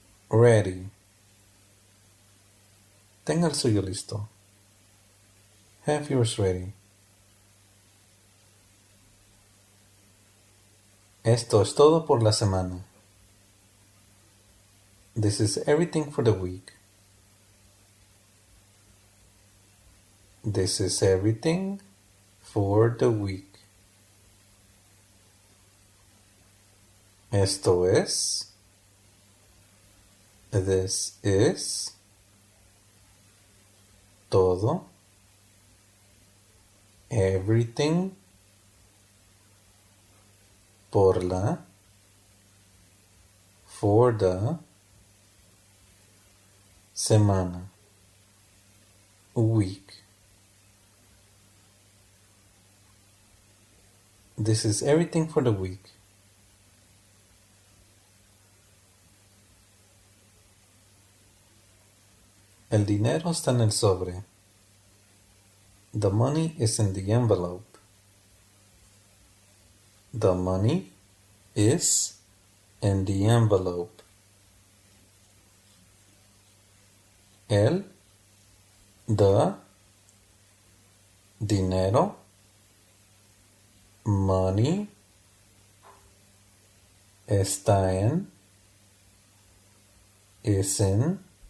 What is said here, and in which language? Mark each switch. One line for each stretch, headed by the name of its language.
English: Ready.
Spanish: Tenga el suyo listo.
English: Have yours ready.
Spanish: Esto es todo por la semana.
English: This is everything for the week. This is everything for the week.
Spanish: Esto es.
English: This is
Spanish: todo,
English: everything
Spanish: por la,
English: for the
Spanish: semana,
English: week. This is everything for the week.
Spanish: El dinero está en el sobre.
English: The money is in the envelope. The money is in the envelope.
Spanish: El,
English: the,
Spanish: dinero,
English: money,
Spanish: está en,
English: is in.